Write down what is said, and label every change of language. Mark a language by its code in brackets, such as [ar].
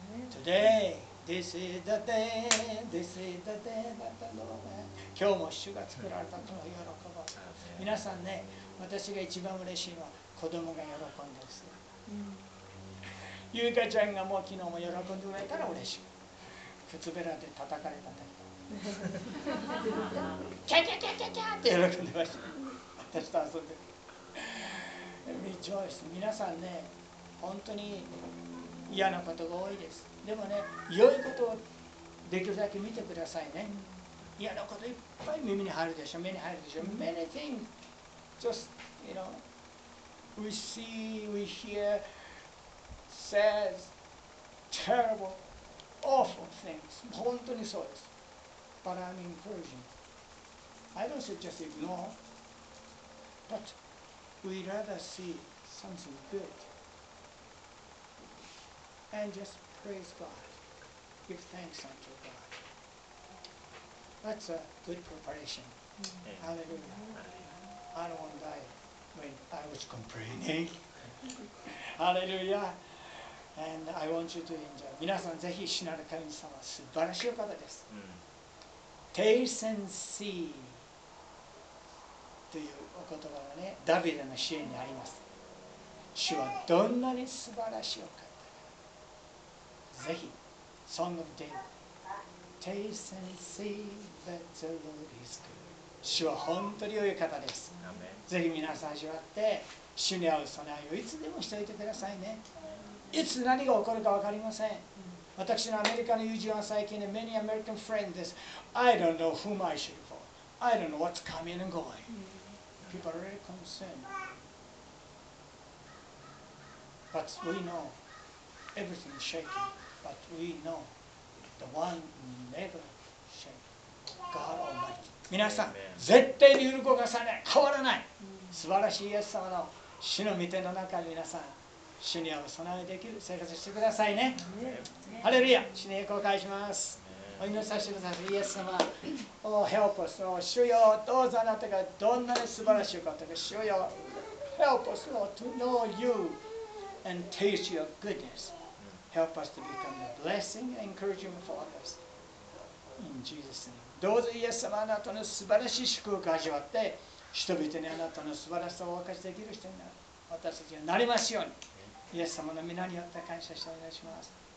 [en] Today, this is the day, this is the day that the Lord has. [ja] 今日も主が作られたとの喜び。皆さんね、私が一番嬉しいのは子供が喜んでるんです。ゆうかちゃんがもう昨日も喜んでくれたら嬉しい。靴べらで叩かれたとき。キャキャキャキャキャって喜んでました。私と遊んでる。 [en] Rejoice. [ja] 皆さんね、本当に嫌なことが多いです。でもね、良いことをできるだけ見てくださいね。嫌なこといっぱい耳に入るでしょ、目に入るでしょ。 [en] Many things, just, you know, we see, we hear, says, terrible, awful things. [ja] 本当にそうです。 [en] But I'm encouraging. I don't suggest ignore, but,We rather see something good and just praise God, give thanks unto God. That's a good preparation. Mm-hmm. Hallelujah. Mm-hmm. I don't want to die when I was complaining. Hallelujah. And I want you to enjoy. [ja] 皆さん、ぜひ死なる神様、素晴らしい方です。 [en] Taste and see. [ja] というお言葉がね、ダビデの詩にあります。主はどんなに素晴らしいお方か。ぜひ、 [en] Song of David。 Taste and see that the Lord is good. [ja] 主は本当に良い方です。ぜひ皆さん味わって、主に合う備えをいつでもしておいてくださいね。いつ何が起こるか分かりません。私のアメリカの友人は最近ね、 [en] Many American friends [ja] です。 [en] I don't know whom I should for. I don't know what's coming and going. People are really concerned. But we know everything is shaking. But we know the one never shakes. God Almighty. [ja] 皆さん、絶対に揺るごかさない。変わらない。素晴らしいイエス様の主の御手の中に皆さん、主に合う備えできる生活してくださいね。ハレルヤ。主に栄光を返します。お祈りさせてください。イエス様、おー、 [en] help us, [ja] おー、主よ、どうぞあなたがどんなに素晴らしいことか、主よ、help us, おー、 [en] to know you and taste your goodness. Help us to become a blessing and encouragement for others. In Jesus' name. [ja] どうぞイエス様、あなたの素晴らしい祝福を味わって、人々にあなたの素晴らしさをお明かしできる人になる。私たちがなりますように、イエス様の皆によって感謝してお願いします。